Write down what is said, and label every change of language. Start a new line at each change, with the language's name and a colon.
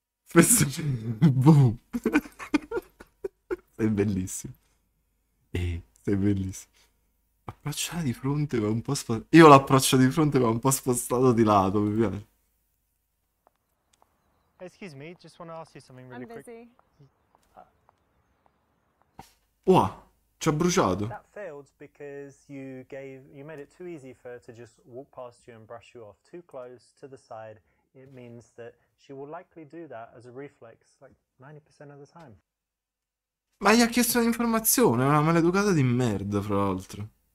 Italian: Questo boom. Sei bellissimo. Sei bellissimo. Approcciata di fronte va un po' spostato. Io l'approccio di fronte va un po' spostato di lato, mi piace.
English: Excuse me, just want to ask you something really I'm quick. busy.
Italian: Wow, ci ha bruciato.
English: That failed because you made it too easy for her to just walk past you and brush you off too close to the side. It means that she will likely do that as a reflex, like 90% of the time.
Italian: Ma gli ha chiesto un'informazione, è una maleducata di merda, fra l'altro.